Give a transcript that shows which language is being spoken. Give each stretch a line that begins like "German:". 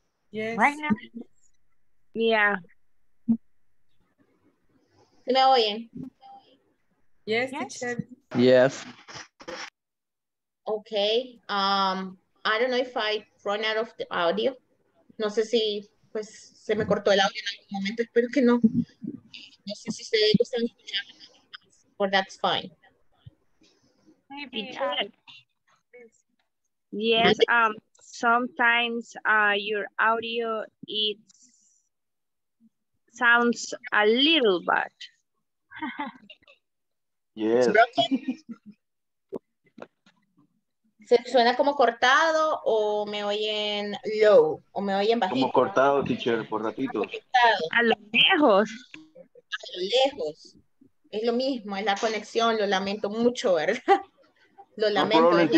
English: Yes. Right now. Yeah.
Spanish: ¿Me oyen?
English: Yes, teacher. Yes. Okay. I don't know if I run out of the audio.
Spanish: No sé si pues se me cortó el audio en algún momento. Espero que no. No sé si ustedes gustan escucharme.
English: Or that's fine. Maybe, yes, sometimes your audio, it sounds a little bad. Yes.
Spanish: ¿Se suena como cortado o me oyen low o me oyen bajito? Como cortado, teacher, por ratitos. A lo lejos. A lo lejos. Es lo mismo, es la conexión, lo lamento mucho, ¿verdad? Lo lamento.